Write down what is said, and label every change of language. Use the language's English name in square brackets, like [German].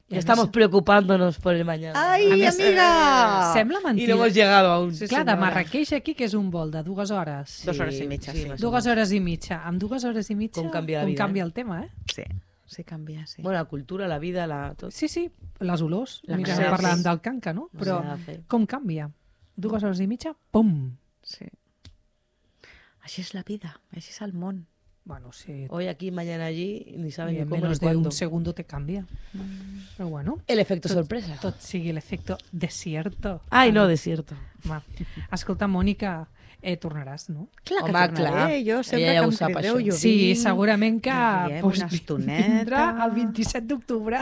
[Spanish] Ya estamos preocupándonos por el mañana. ¡Ay, amiga! [Catalan] Sembla mentida. [Spanish] Y no hemos llegado aún. [Catalan] Sí, clar, de Marrakeix aquí, que és un vol de dues hores. Sí, dues hores i mitja, sí. Dues hores i mitja. Amb dues hores i mitja, com canvia el tema, eh? Sí, canvia, sí. Bueno, la cultura, la vida, tot. Sí, les olors. Mira, parlant del canca, no? Però com canvia? Dues hores i mitja, pum! Sí. Així és la vida, així és el món. Bueno, sí. [Spanish] Hoy aquí, mañana allí, ni saben ni cómo ni cuándo. Y en menos de un segundo te cambia. Pero bueno. El efecto sorpresa. [Catalan] Tot sigui [Spanish] l'efecto desierto. Ay, no, desierto. [Catalan] Va. Escolta, Mònica, tornaràs, no? Clar que tornaré. Jo sempre que em crideu, jo vinc. Sí, segurament que vindrà el 27 d'octubre.